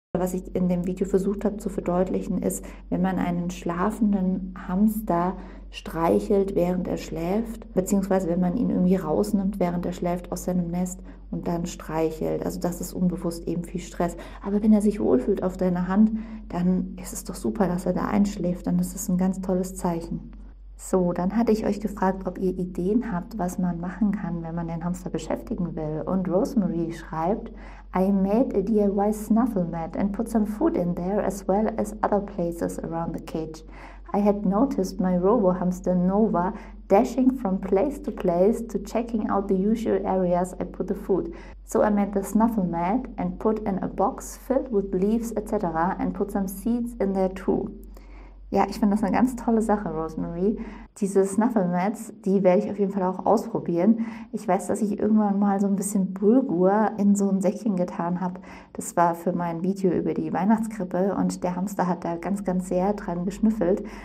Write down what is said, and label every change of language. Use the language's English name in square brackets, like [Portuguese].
[German] Was ich in dem Video versucht habe zu verdeutlichen, ist, wenn man einen schlafenden Hamster streichelt, während er schläft, beziehungsweise wenn man ihn irgendwie rausnimmt, während er schläft aus seinem Nest und dann streichelt. Also das ist unbewusst eben viel Stress. Aber wenn er sich wohlfühlt auf deiner Hand, dann ist es doch super, dass er da einschläft. Dann ist es ein ganz tolles Zeichen. So, dann hatte ich euch gefragt, ob ihr Ideen habt, was man machen kann, wenn man den Hamster beschäftigen will. Und Rosemary schreibt: [English] I made a DIY snuffle mat and put some food in there as well as other places around the cage. I had noticed my robo hamster Nova dashing from place to place to checking out the usual areas I put the food. So I made the snuffle mat and put in a box filled with leaves etc. and put some seeds in there too. [German] Ja, ich finde das eine ganz tolle Sache, Rosemary. Diese Snuffle-Mats, die werde ich auf jeden Fall auch ausprobieren. Ich weiß, dass ich irgendwann mal so ein bisschen Bulgur in so ein Säckchen getan habe. Das war für mein Video über die Weihnachtskrippe und der Hamster hat da ganz, ganz sehr dran geschnüffelt.